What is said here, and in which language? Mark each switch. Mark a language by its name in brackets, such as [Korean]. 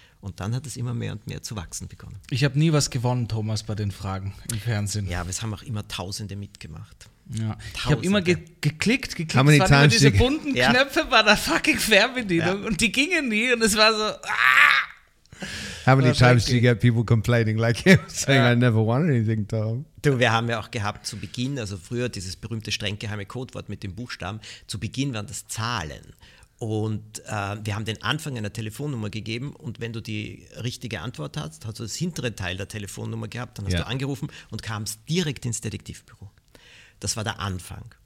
[German] Und dann hat es immer mehr und mehr zu wachsen begonnen. Ich habe nie was gewonnen, Thomas, bei den Fragen im Fernsehen. Ja, aber es haben auch immer Tausende mitgemacht. Ja. Tausende. Ich habe immer geklickt. Es waren immer diese bunten Knöpfe bei der fucking Fernbedienung. Ja. Und die gingen nie und es war so... [English] How many times do you get people complaining like him, saying I never won anything, Tom? [German] Du, wir haben ja auch gehabt zu Beginn, also früher dieses berühmte streng geheime Codewort mit dem Buchstaben, zu Beginn waren das Zahlen. Und wir haben den Anfang einer Telefonnummer gegeben und wenn du die richtige Antwort hast, hast du das hintere Teil der Telefonnummer gehabt, dann hast du angerufen und kamst direkt ins Detektivbüro. Das war der Anfang.